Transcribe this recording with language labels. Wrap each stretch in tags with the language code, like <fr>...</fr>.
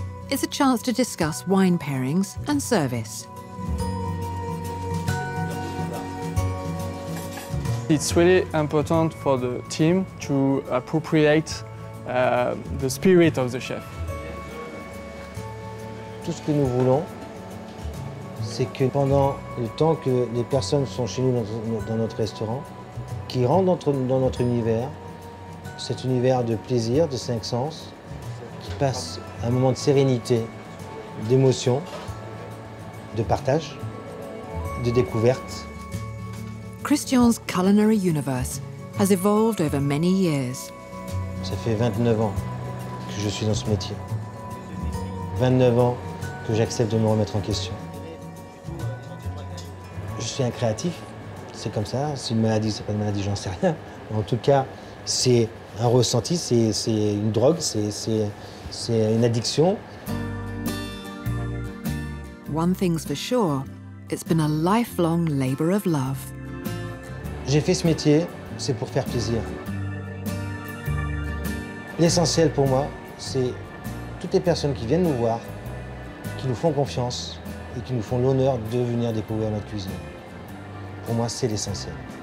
<en>It's a chance to discuss wine pairings and service. It's really important for the team to appropriate the spirit of the chef.</en> <fr>Tout ce que nous voulons, c'est que pendant le temps que les personnes sont chez nous dans notre restaurant, qui rentrent dans notre univers, cet univers de plaisir, de cinq sens, qui passe un moment de sérénité, d'émotion, de partage, de découverte.</fr> <en>Christian's culinary universe has evolved over many years.</en> <fr>Ça fait 29 ans que je suis dans ce métier. 29 ans que j'accepte de me remettre en question. Je suis un créatif, c'est comme ça. C'est une maladie, c'est pas une maladie, j'en sais rien. En tout cas, c'est un ressenti, c'est une drogue, c'est une addiction.</fr> <en>One thing's for sure, it's been a lifelong labor of love.</en> <fr>J'ai fait ce métier, c'est pour faire plaisir. L'essentiel pour moi, c'est toutes les personnes qui viennent nous voir, qui nous font confiance et qui nous font l'honneur de venir découvrir notre cuisine. Pour moi, c'est l'essentiel.</fr>